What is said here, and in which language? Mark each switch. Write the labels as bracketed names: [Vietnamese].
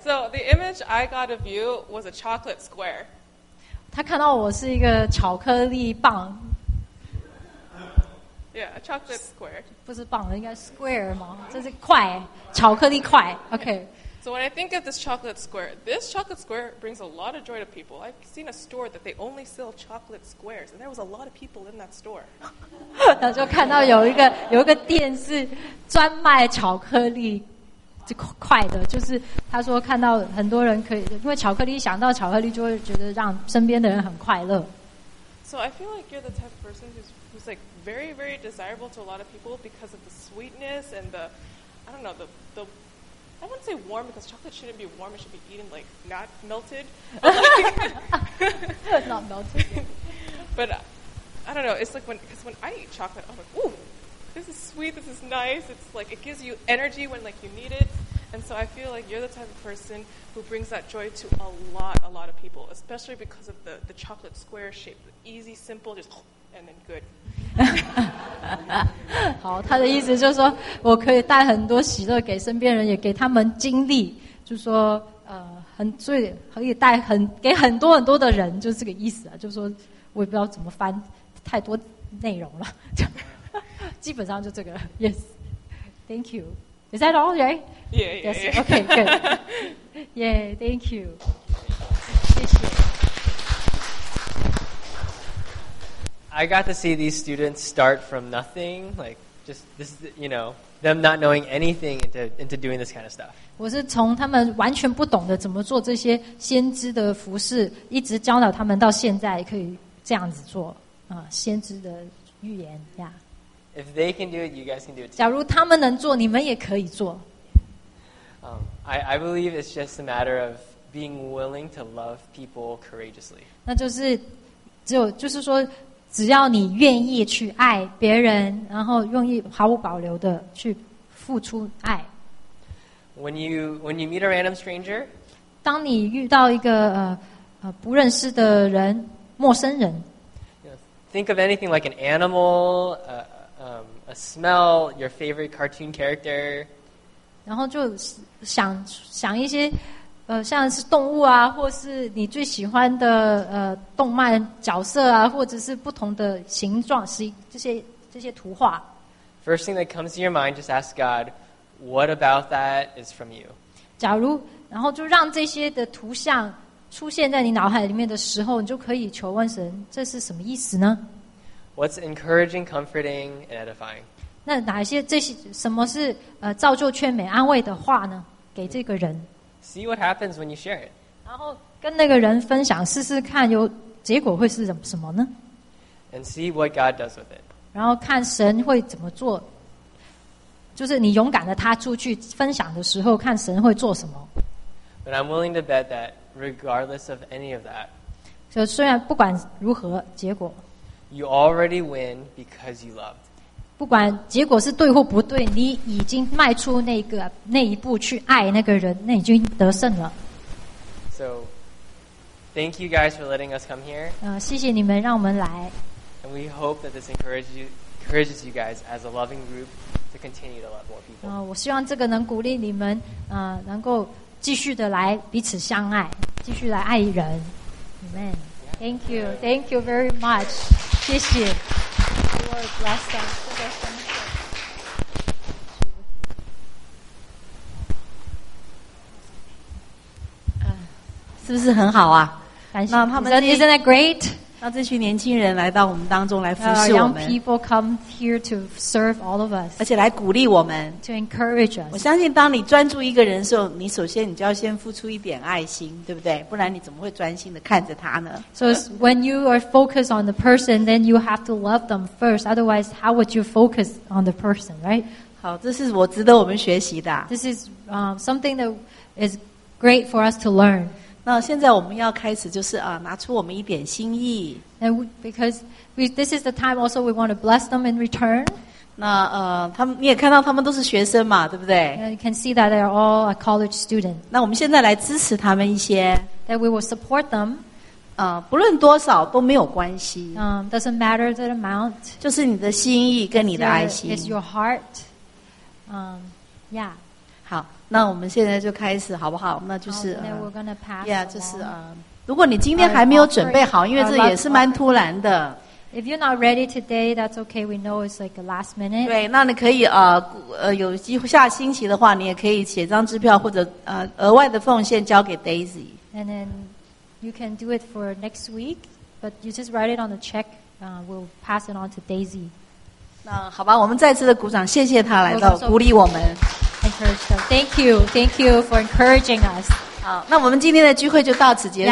[English] So the image I got of you was a chocolate square. [Chinese] 他看到我是一个巧克力棒. [English] Yeah, a chocolate square. [Chinese] 不是棒，应该是square吗？这是块，巧克力块.Okay. [English] So when I think of this chocolate square brings a lot of joy to people. I've seen a store that they only sell chocolate squares, and there was a lot of people in that store. [Chinese] 然后就看到有一个店是专卖巧克力块的，就是他说看到很多人可以，因为巧克力想到巧克力就会觉得让身边的人很快乐。 [English] So I feel like you're the type of person who's like very, very desirable to a lot of people because of the sweetness and the, I don't know, the I wouldn't say warm because chocolate shouldn't be warm. It should be eaten like not melted. Not melted. But I don't know. It's like because when I eat chocolate, I'm like, ooh, this is sweet. This is nice. It's like it gives you energy when like you need it. And so I feel like you're the type of person who brings that joy to a lot of people, especially because of the chocolate square shape. Easy, simple, just and then good. [Chinese] 好，他的意思就是说我可以带很多喜乐给身边人，也给他们精力，就是说，很所以可以带很给很多很多的人，就是这个意思啊。就是说，我也不知道怎么翻太多内容了，就基本上就这个 [English] Yes, thank you. Is that all right? Yeah. Yes. Okay. Good. Yeah. Thank you. [Chinese] 谢谢。 [English] I got to see these students start from nothing, like just this, you know, them not knowing anything into doing this kind of stuff. [Chinese] 我是从他们完全不懂得怎么做这些先知的服饰，一直教导他们到现在可以这样子做。先知的预言呀。 [English] If they can do it, you guys can do it. [Chinese] 假如他们能做，你们也可以做。 [English] I believe it's just a matter of being willing to love people courageously. [Chinese] 那就是，就是说，只要你愿意去爱别人，然后愿意毫无保留的去付出爱。 [English] When you meet a random stranger, [Chinese] 当你遇到一个不认识的人，陌生人。 [English] Think of anything like an animal, a smell, your favorite cartoon character. [Chinese] 然后就想一些像是动物啊，或是你最喜欢的动漫角色啊，或者是不同的形状，这些图画。 [English] First thing that comes to your mind, just ask God, what about that is from you? [Chinese] 假如然后就让这些的图像出现在你脑海里面的时候，你就可以求问神，这是什么意思呢？ [English] What's encouraging, comforting, and edifying? [Chinese] 那哪些这些什么是造就劝美安慰的话呢？给这个人。 [English] See what happens when you share it. [Chinese] 然后跟那个人分享，试试看有结果会是什么呢？ [English] And see what God does with it. [Chinese] 然后看神会怎么做，就是你勇敢的他出去分享的时候，看神会做什么。 [English] But I'm willing to bet that. Regardless of any of that, [Chinese] so 虽然不管如何结果 [English] you already win because you loved. [Chinese] 不管结果是对或不对，你已经迈出那一步去爱那个人，那已经得胜了。 [English] So, thank you guys for letting us come here. [Chinese] 谢谢你们让我们来。 [English] And we hope that this encourages you guys as a loving group to continue to love more people. [Chinese] 我希望这个能鼓励你们，能够。继续的来彼此相爱，继续来爱人。 [English] Amen. Thank you. Thank you very much. [Chinese] 谢谢。 [English] Lord bless them. [Chinese] Is 不是很好啊？感谢。那他们 [English] isn't that great? [Chinese] 让这群年轻人来到我们当中来服侍我们。 [English] Young people come here to serve all of us. [Chinese] 而且来鼓励我们。 [English] To encourage us. [Chinese] 我相信当你专注一个人的时候，你首先你就要先付出一点爱心，对不对？不然你怎么会专心的看着他呢？ [English] So when you are focused on the person, then you have to love them first. Otherwise, how would you focus on the person, right? [Chinese] 好，这是我值得我们学习的。 [English] This is something that is great for us to learn. [Chinese] 那现在我们要开始就是拿出我们一点心意。 [English] And because this is the time also we want to bless them in return. [Chinese] 那他们你也看到他们都是学生嘛，对不对？ [English] And you can see that they are all a college student. [Chinese] 那我们现在来支持他们一些。 [English] That we will support them. [Chinese] 不论多少都没有关系。 [English] Doesn't matter the amount. [Chinese] 就是你的心意跟你的爱心。 [English] It's your heart. Yeah. [Chinese] 那我们现在就开始好不好？那就是，yeah，就是如果你今天还没有准备好，因为这也是蛮突然的。 [English] If you're not ready today, that's okay. We know it's like a last minute. [Chinese] 对，那你可以有机会下星期的话，你也可以写张支票或者额外的奉献交给 Daisy. [English] And then you can do it for next week, but you just write it on the check. We'll pass it on to Daisy. [Chinese] 那好吧，我们再次的鼓掌，谢谢他来到鼓励我们。 [English] Thank you for encouraging us. [Chinese] 好，那我们今天的聚会就到此结束。